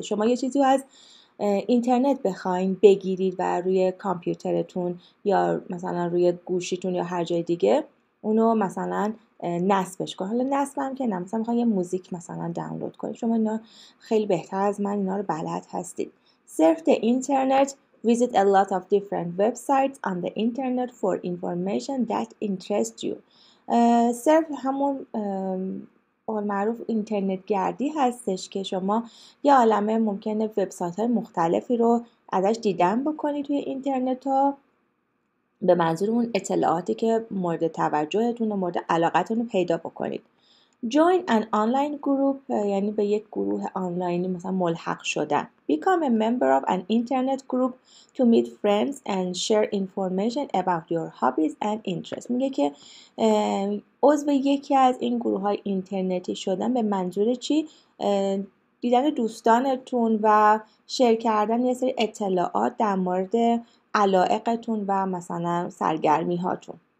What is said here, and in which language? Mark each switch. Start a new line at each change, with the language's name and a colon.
Persian: شما یه چیزی از اینترنت بخواین بگیرید و روی کامپیوترتون یا مثلا روی گوشیتون یا هر جای دیگه اونو مثلا نصبش کن. حالا نصب هم که نه، مثلا میخواین یه موزیک مثلا دانلود کنید. شما اینا خیلی بهتر از من اینا رو بلد هستید.
English: Surf the internet. Visit a lot of different websites on the internet for information that interests you.
Persian: صرف همون قول معروف اینترنت گردی هستش که شما یه عالمه ممکنه وبسایت های مختلفی رو ازش دیدن بکنید توی اینترنت ها به منظور اون اطلاعاتی که مورد توجهتون و مورد علاقتون رو پیدا بکنید.
English: Join an online group,
Persian: یعنی به یک گروه آنلاینی مثلا ملحق شدن.
English: Become a member of an internet group to meet friends and share information about your hobbies and interests.
Persian: میگه که عضو یکی از این گروه های اینترنتی شدن به منظور چی؟ دیدن دوستانتون و شیر کردن یه سری اطلاعات در مورد علایقتون و مثلا سرگرمی هاتون.